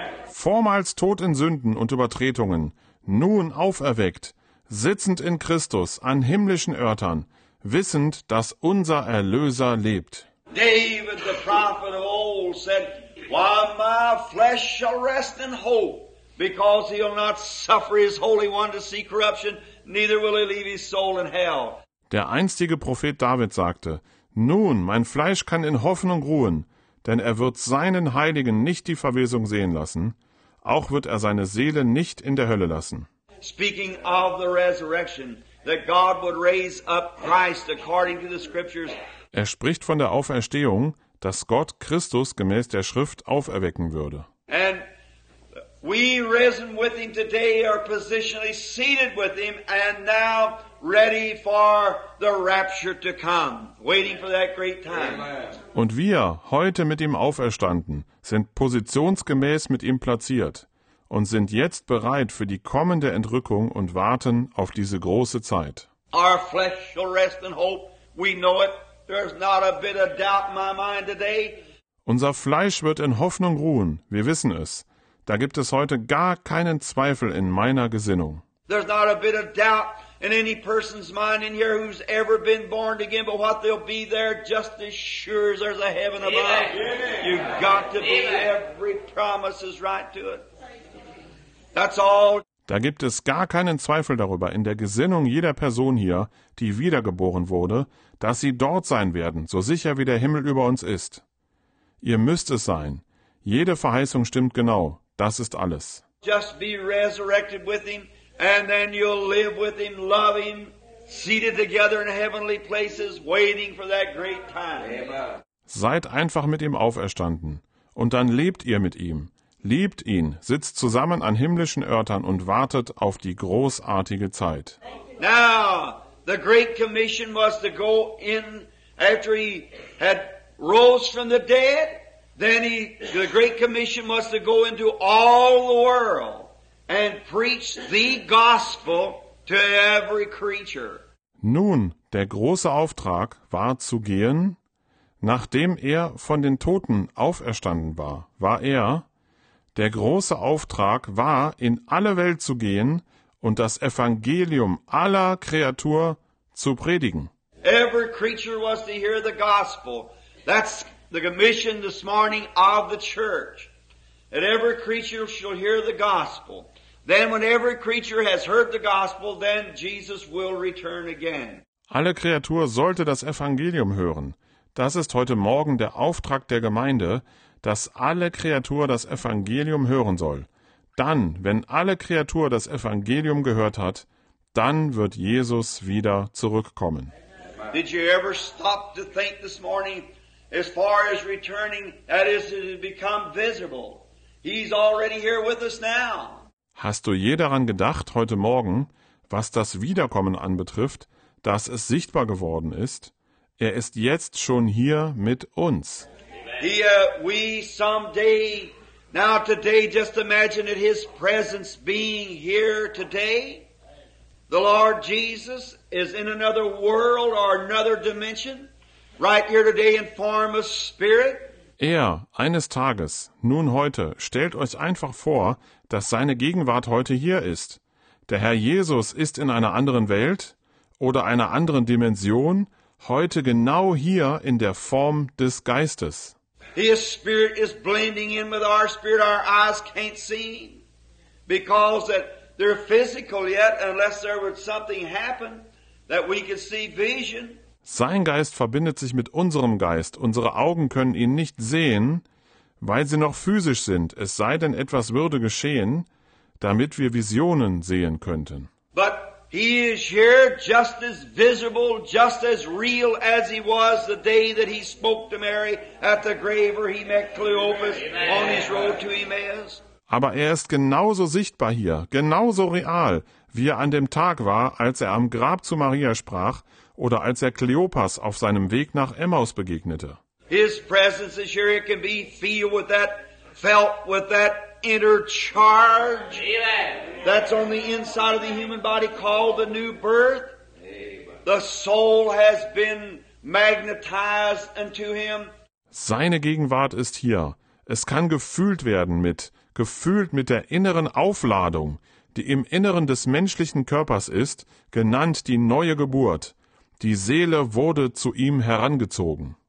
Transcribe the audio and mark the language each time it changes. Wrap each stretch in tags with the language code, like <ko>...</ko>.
<de>Vormals tot in Sünden und Übertretungen, nun auferweckt, sitzend in Christus an himmlischen Örtern, wissend, dass unser Erlöser lebt.</de> <en>David, the prophet of old, said, While my flesh shall rest in hope, because he'll not suffer his holy one to see corruption, neither will he leave his soul in hell.</en> <de>Der einstige Prophet David sagte, Nun, mein Fleisch kann in Hoffnung ruhen, denn er wird seinen Heiligen nicht die Verwesung sehen lassen, auch wird er seine Seele nicht in der Hölle lassen.</de> <en>Speaking of the resurrection, that God would raise up Christ according to the scriptures.</en> <de>Er spricht von der Auferstehung, dass Gott Christus gemäß der Schrift auferwecken würde.</de> <en>And we risen with him today, are positionally seated with him, and now ready for the rapture to come, waiting for that great time.</en> <de>Und wir, heute mit ihm auferstanden, sind positionsgemäß mit ihm platziert und sind jetzt bereit für die kommende Entrückung und warten auf diese große Zeit.</de> <en>Our flesh shall rest in hope, we know it, there's not a bit of doubt in my mind today.</en> <de>Unser Fleisch wird in Hoffnung ruhen, wir wissen es. Da gibt es heute gar keinen Zweifel in meiner Gesinnung.</de> <en>There's not a bit of doubt in any person's mind in here who's ever been born again, but what, they'll be there just as sure as there's a heaven above. You've got to be there. Every promise is right to it. That's all.</en> <de>Da gibt es gar keinen Zweifel darüber in der Gesinnung jeder Person hier, die wiedergeboren wurde, dass sie dort sein werden, so sicher wie der Himmel über uns ist. Ihr müsst es sein. Jede Verheißung stimmt genau. Das ist alles.</de> <en>Just be resurrected with him, and then you'll live with him, love him, seated together in heavenly places, waiting for that great time. Amen.</en> <de>Seid einfach mit ihm auferstanden, und dann lebt ihr mit ihm. Liebt ihn, sitzt zusammen an himmlischen Örtern und wartet auf die großartige Zeit.</de> <en>Now, the great commission was to go in after he had rose from the dead. Then the great commission was to go into all the world and preach the gospel to every creature.</en> <de>Nun, der große Auftrag war zu gehen, nachdem er von den Toten auferstanden war, Der große Auftrag war, in alle Welt zu gehen und das Evangelium aller Kreatur zu predigen.</de> <en>Every creature was to hear the gospel. That's the commission this morning of the church. That every creature shall hear the gospel. Then when every creature has heard the gospel, then Jesus will return again.</en> <de>Alle Kreatur sollte das Evangelium hören. Das ist heute Morgen der Auftrag der Gemeinde, dass alle Kreatur das Evangelium hören soll. Dann, wenn alle Kreatur das Evangelium gehört hat, dann wird Jesus wieder zurückkommen.</de> <en>Did you ever stop to think this morning, as far as returning, that is, it has become visible? He's already here with us now.</en> <de>Hast du je daran gedacht, heute Morgen, was das Wiederkommen anbetrifft, dass es sichtbar geworden ist? Er ist jetzt schon hier mit uns.</de> <en>We someday, now today, just imagine that his presence being here today. The Lord Jesus is in another world or another dimension, right here today in form of spirit.</en> <de>Eines Tages, nun heute, stellt euch einfach vor, dass seine Gegenwart heute hier ist. Der Herr Jesus ist in einer anderen Welt oder einer anderen Dimension, heute genau hier in der Form des Geistes.</de> <en>His spirit is blending in with our spirit. Our eyes can't see him because that they're physical yet, unless there would something happen that we could see vision.</en> <de>Sein Geist verbindet sich mit unserem Geist. Unsere Augen können ihn nicht sehen, weil sie noch physisch sind, es sei denn, etwas würde geschehen, damit wir Visionen sehen könnten.</de> <en>But he is here just as visible, just as real as he was the day that he spoke to Mary at the grave where he met Cleopas. Amen. On his road to Emmaus.</en> <de>Aber ist genauso sichtbar hier, genauso real, wie an dem Tag war, als am Grab zu Maria sprach oder als Cleopas auf seinem Weg nach Emmaus begegnete.</de> <en>His presence is here. It can be feel with that, felt with that inner charge. Amen. That's on the inside of the human body called the new birth. The soul has been magnetized unto him.</en> <de>Seine Gegenwart ist hier. Es kann gefühlt mit der inneren Aufladung, die im Inneren des menschlichen Körpers ist, genannt die neue Geburt. Die Seele wurde zu ihm herangezogen.</de>